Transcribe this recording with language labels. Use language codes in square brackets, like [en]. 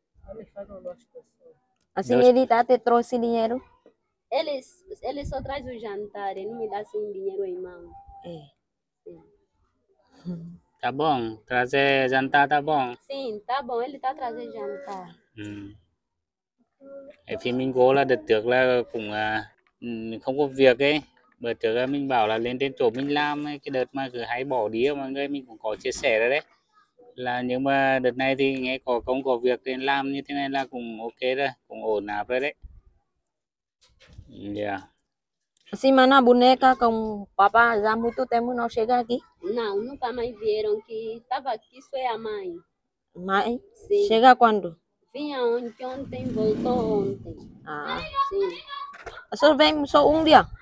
[pt] Ele faz duas pessoas. Assim, Deus. Ele tá, te trouxe dinheiro? Ele só traz o jantar, ele não me dá assim dinheiro em mão. É. Tá bom, trazer jantar tá bom? Sim, tá bom, ele tá trazendo jantar. [vi] Em phía mình cố là đợt trước là cũng không có việc ấy. Bữa trước là mình bảo là lên trên chỗ mình làm ấy, cái đợt mà cứ hay bỏ đi mọi người, mình cũng có chia sẻ rồi đấy. Là nhưng mà đợt này thì nghe có công có việc nên làm như thế này là cũng ok rồi, cũng ổn áp rồi đấy. Dạ. [pt] Sí, mana boneca com papá já muito tempo não chega aqui? Não, nunca mais vieram, que estava aqui só é a mãe. Mãe? Sim. Chega quando? Vinha ontem, voltou ontem. Ah, sim. A senhora vem só um dia?